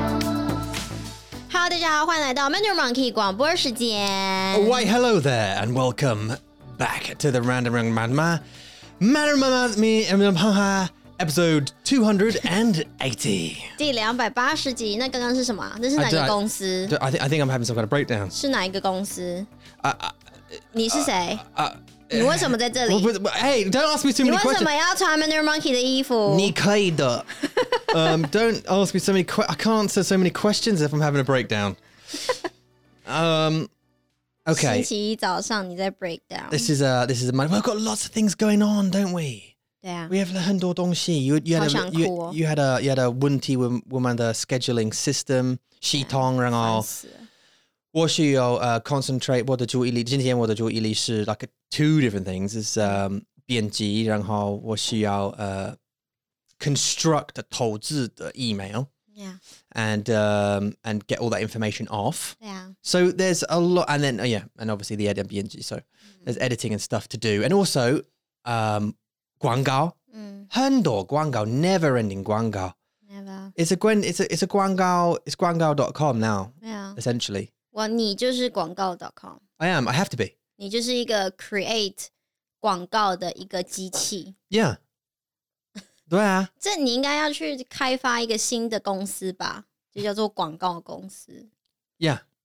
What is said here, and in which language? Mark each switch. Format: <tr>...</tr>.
<en>Hello,</en> <zh>大家好，欢迎来到 Mandarin Monkey 广播时间。</zh> <en>Why, hello there, and welcome back to the Random Random Madma. Mandarin Madma's me, Mandarin Madma. Episode 280.</en> <zh>第280集，那刚刚是什么？那是哪个公司？</zh> <en>I think I'm having some kind of breakdown.</en> <zh>是哪一个公司？你是谁？你为什么在这里？</zh> <en>Don't ask me too many questions.</en> <zh>你为什么要穿 Mandarin Monkey 的衣服？你可以的。</zh> <en>Don't ask me so many questions. I can't answer so many questions if I'm having a breakdown. Okay.</en> <zh>星期一早上你在 breakdown.</zh> <en>This is a Monday. We've got lots of things going on, don't we? Yeah. We have</en> <zh>很多东西</zh> <en>you had a</en> <zh>问题</zh> <en>with</en> <zh>我们的</zh> <en>scheduling system</en> <zh>系统 然后我需要</zh> <en>concentrate</en> <zh>我的注意力今天我的注意力是</zh> <en>like two different things is</en> <zh>编辑然后我需要</zh> <en>construct</en> <zh>投资的</zh> <en>email and get all that information off yeah so there's a lot and then and obviously the edit</en> <zh>编辑</zh> <en>so there's editing and stuff to do and also</en> <zh>广告，嗯，很多广告</zh> <en>，never ending</en> <zh>广告</zh> <en>，never. It's a</en> <zh>广告</zh> <en>，it's 广告 .com now. Yeah. Essentially. Well,</en> <zh>你就是广告 .com.</zh> <en>I am. I have to be.</en> <zh>你就是一个 create 广告的一个机器。</zh> <en>Yeah.</en> <zh>对啊。这你应该要去开发一个新的公司吧？就叫做广告公司。</zh> <en>Yeah.</en>